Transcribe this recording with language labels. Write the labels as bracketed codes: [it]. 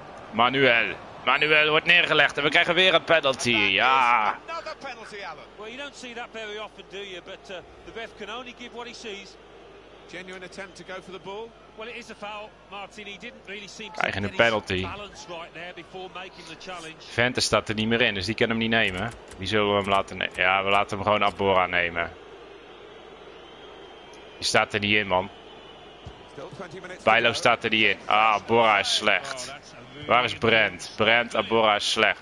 [nl] Manuel. Manuel wordt neergelegd en we krijgen weer een penalty. Ja. [en] Well, you don't see that very often, do you? But the ref can only give what he sees. Genuine attempt to go for the ball. Well, it is a foul. Martini didn't really seem to get his balance right there before making the challenge. [nl] Vente staat er niet meer in, dus die kan hem niet nemen. Die zullen we hem laten nemen. Ja, we laten hem gewoon Abora nemen. Die staat er niet in, man. Bijlo staat er niet in. Ah, Abora is slecht. Waar is Brent? Brent, Abora is slecht.